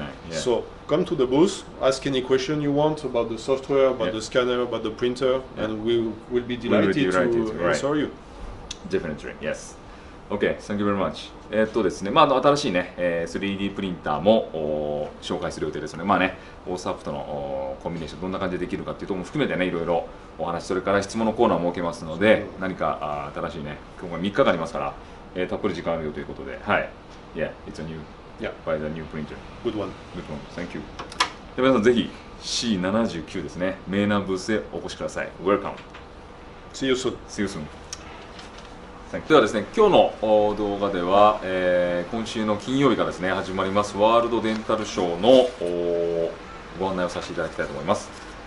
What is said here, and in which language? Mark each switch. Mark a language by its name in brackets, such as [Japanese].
[English] So come to the booth, ask any question you want about the software, about the scanner, about the printer, and we will be delighted to answer you. Definitely, yes. Okay, thank you very much. [Japanese] ですね、まあ、新しい、ね、3D プリンターも紹介する予定ですので、まあね、オーサップとのコンビネーション、どんな感じでできるかというところも含めて、ね、いろいろお話、それから質問のコーナーを設けますので、何か新しいね、今後3日ありますから、たっぷり時間あるよということで、はい。 [English] Yeah, it's a new, by the new printer. Good one. Thank you. [Japanese] で、皆さんぜひ C79 ですね。メイナブースへお越しください。 [English] Welcome. See you soon. See you soon. Thank you. [Japanese] ではですね、今日の動画では、今週の金曜日からですね、始まりますワールドデンタルショーのご案内をさせていただきたいと思います。